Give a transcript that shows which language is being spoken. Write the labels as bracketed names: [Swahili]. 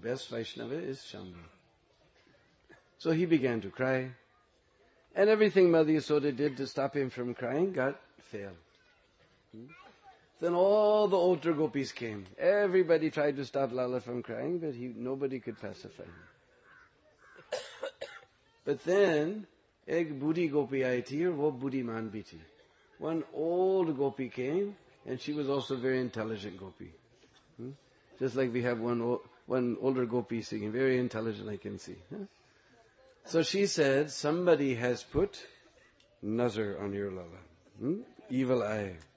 [English] Best Vaishnava is Shambhu. So he began to cry. And everything Mother Yasoda did to stop him from crying got failed. Then all the older gopis came. Everybody tried to stop Lala from crying, but nobody could pacify him. But then, [Hindi] एक बुड़ी गोपी आयी थी, वो बुड़ी मन भी थी। [English] One old gopi came, and she was also a very intelligent gopi. Just like we have one one older gopi singing, very intelligent, I can see. So she said, somebody has put nazar on your lala. Evil eye.